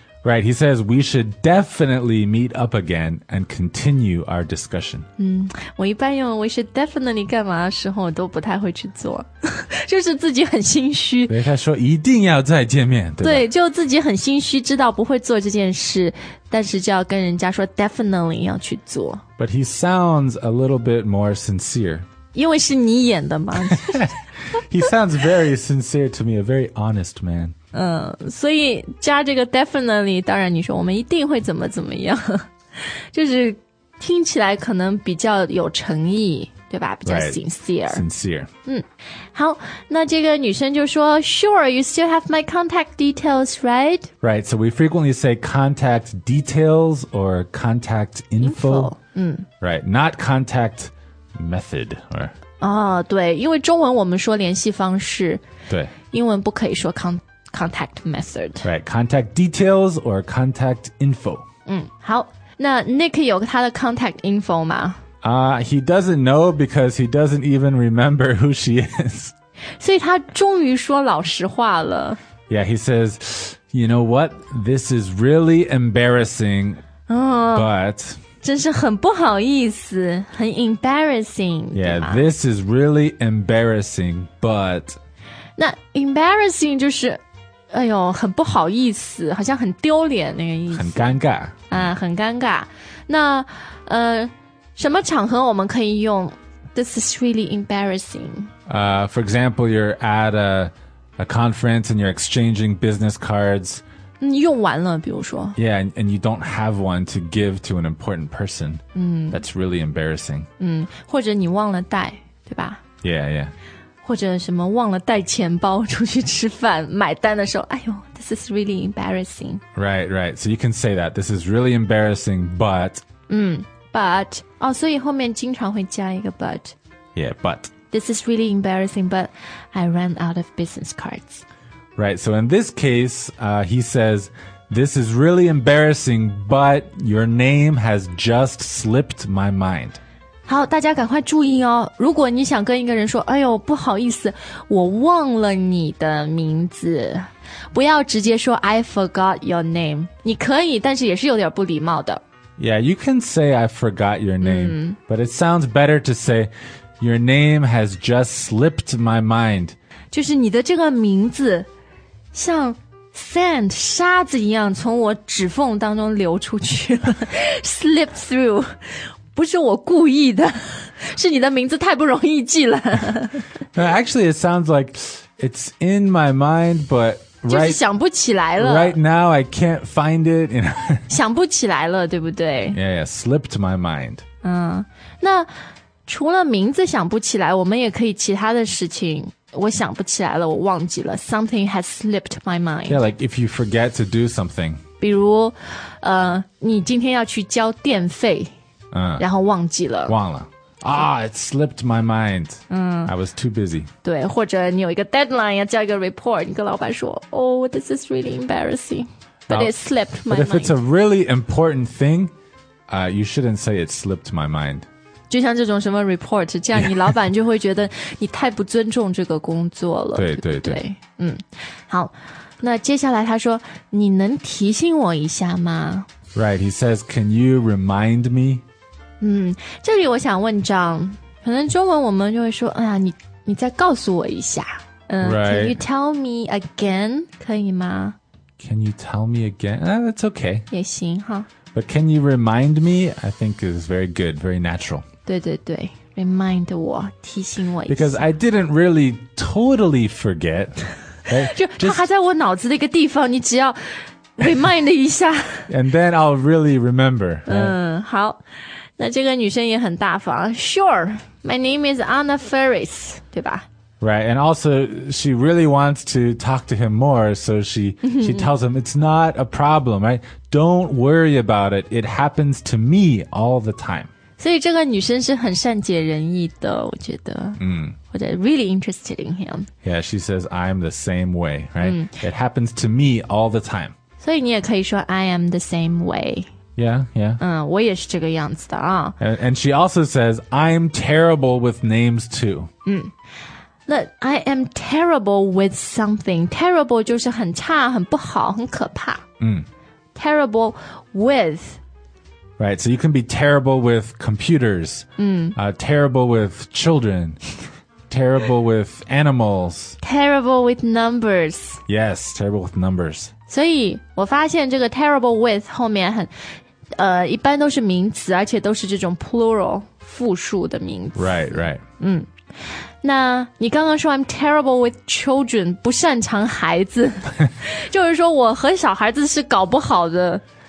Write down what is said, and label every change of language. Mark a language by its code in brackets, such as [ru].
[en] Right, he says we should definitely meet up again and continue our discussion. [zh] 嗯，我一般用 [en] we should definitely [zh] 干嘛的时候我都不太会去做，就是自己很心虚。对，他说一定要再见面，对吧？对，就自己很心虚，知道不会做这件事，但是就要跟人家说 definitely 要去做。 [en] But he sounds a little bit more sincere. [zh] 因为是你演的嘛 [en] He sounds very sincere to me, a very honest man. [zh] 嗯，所以加这个 definitely, 当然你说我们一定会怎么怎么样，就是听起来可能比较有诚意，对吧？比较 sincere. [en] Right, sincere. [zh] 嗯，好，那这个女生就说 [en] Sure, you still have my contact details, right? Right, so we frequently say contact details or contact info. [zh] 嗯 [en] Right, not contact method or [zh] 哦，对，因为中文我们说联系方式，对，英文不可以说 [en] contact method, right? Contact details or contact info. [zh] 嗯，好，那 Nick 有他的 contact info 吗？ [en] He doesn't know because he doesn't even remember who she is. [zh] 所以他终于说老实话了。 [en] Yeah, he says, "You know what? This is really embarrassing,、but." [zh] 真是很不好意思，很 embarrassing. [en] Yeah, this is really embarrassing, but. [zh] 那 embarrassing 就是，哎呦，很不好意思，好像很丢脸那个意思。很尴尬。啊，很尴尬。那，什么场合我们可以用 [en] this is really embarrassing? For example, you're at a conference and you're exchanging business cards. [zh] 用完了比如说 [en] Yeah, and you don't have one to give to an important person、That's really embarrassing、 [zh] 或者你忘了带对吧 [en] Yeah, yeah [zh] 或者什么忘了带钱包出去吃饭买单的时候哎呦 [en] This is really embarrassing Right, right So you can say that This is really embarrassing But、 [zh] but, 哦，所以后面经常会加一个 but. [en] Yeah, but. This is really embarrassing, but I ran out of business cards. Right, so in this case, he says, this is really embarrassing, but your name has just slipped my mind. [zh] 好，大家赶快注意哦，如果你想跟一个人说，哎呦，不好意思，我忘了你的名字。不要直接说 [en] I forgot your name. [zh] 你可以，但是也是有点不礼貌的。 [en] Yeah, you can say I forgot your name,、mm. but it sounds better to say your name has just slipped my mind. [zh] 就是你的这个名字像 sand, 沙子一样从我指缝当中流出去了。 [en] Slip through. [zh] 不是我故意的，是你的名字太不容易记了。 [en] No, actually, it sounds like it's in my mind, but... [zh] 就是想不起来了。 [en] Right now, I can't find it. You know? [zh] 想不起来了，对不对？ [en] Yeah, yeah, slipped my mind. [zh] 嗯，那除了名字想不起来，我们也可以其他的事情，我想不起来了，我忘记了。 [en] Something has slipped my mind. Yeah, like if you forget to do something. [zh] 比如，你今天要去交电费，嗯，然后忘记了。忘了。 [en] Ah, it slipped my mind. I was too busy. [zh] 对，或者你有一个 deadline 要交一个 report, 你跟老板说 [en] Oh, this is really embarrassing. But it slipped my mind. But if it's a really important thing, you shouldn't say it slipped my mind. [zh] 就像这种什么 report, 这样你老板就会觉得你太不尊重这个工作了。对对对。嗯，好，那接下来他说，你能提醒我一下吗？ [en] Right, he says, can you remind me? [zh] 嗯，这里我想问John，可能中文我们就会说，哎呀，你再告诉我一下， [en] Right. Can you tell me again? [zh] 可以吗？ [en] Can you tell me again? That's okay. [zh] 也行哈。 [en] But can you remind me? I think it's very good, very natural. [zh] 对对对 ，remind 我，提醒我一下。 [en] Because I didn't really totally forget. [zh] 就他还在我脑子的一个地方，你只要 remind 一下。 [en] And then I'll really remember. [zh] 嗯，好。那这个女生也很大方。 [en] Sure, my name is Anna Ferris, [zh] 对吧 [en] ？Right, and also she really wants to talk to him more, so she tells him it's not a problem, right? Don't worry about it. It happens to me all the time. [zh] 所以这个女生是很善解人意的，我觉得。嗯。或者 [en] really interested in him. Yeah, she says I'm the same way, right?、Mm. It happens to me all the time. [zh] 所以你也可以说 [en] I am the same way. Yeah, yeah. [zh] 嗯，我也是这个样子的啊。 [en] And she also says, I'm terrible with names too. [zh] 嗯，那 [en] I am terrible with something. [zh] Terrible 就是很差，很不好，很可怕。嗯。 [en] Terrible with. Right, so you can be terrible with computers. 嗯。 Terrible with children. Terrible with animals. Terrible with numbers. Yes, terrible with numbers. [zh] 所以我发现这个 terrible with 后面很一般都是名词而且都是这种 plural 复数的名词 [en] Right, right [zh] 嗯，那你刚刚说 [en] I'm terrible with children [zh] 不擅长孩子就是说我和小孩子是搞不好的